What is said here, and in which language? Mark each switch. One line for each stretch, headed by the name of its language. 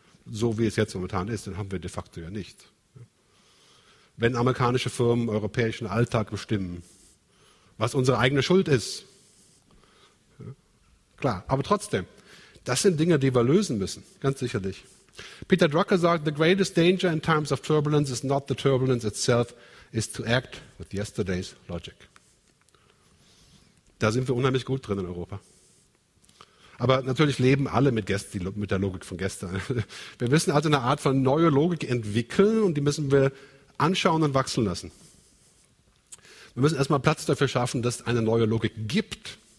German: So wie es jetzt momentan ist, dann haben wir de facto ja nicht. Wenn amerikanische Firmen europäischen Alltag bestimmen, was unsere eigene Schuld ist. Ja, klar, aber trotzdem, das sind Dinge, die wir lösen müssen, ganz sicherlich. Peter Drucker sagt,
English: the greatest danger in times of turbulence is not the turbulence itself, is to act with yesterday's logic.
German: Da sind wir unheimlich gut drin in Europa. Aber natürlich leben alle mit der Logik von gestern. Wir müssen also eine Art von neue Logik entwickeln und die müssen wir anschauen und wachsen lassen. Wir müssen erstmal Platz dafür schaffen, dass es eine neue Logik gibt.